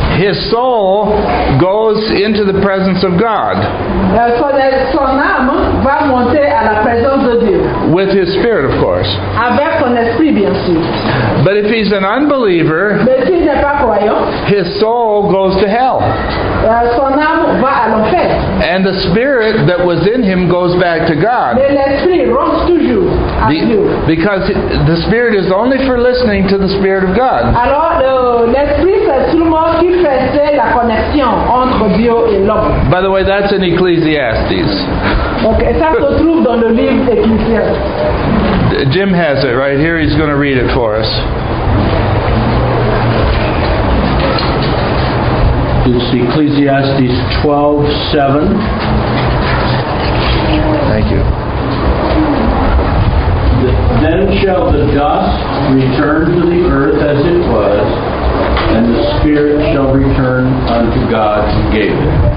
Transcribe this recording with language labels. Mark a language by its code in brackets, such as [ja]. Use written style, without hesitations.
[en] his soul goes into the presence of God. [fr] Son âme va monter à la présence de Dieu. [en] With his spirit, of course. [fr] Avec son esprit, bien sûr. [en] But if he's an unbeliever, [fr] mais s'il n'est pas croyant, [en] his soul goes to hell. [fr] Son âme va à l'enfer. [en] And the spirit that was in him goes back to God. [fr] Mais l'esprit rentre toujours à Dieu. [en] Because the spirit is only for listening to the spirit of God. [fr] Alors, l'esprit, c'est seulement qui fait la connexion entre Dieu et l'homme. [en] By the way, that's in Ecclesiastes. [fr] Okay, ça se trouve dans le livre Ecclesiastes. [en] Jim has it right here. He's going to read it for us. It's Ecclesiastes 12:7. Thank you. Then shall the dust return to the earth as it was, and the spirit shall return unto God who gave it.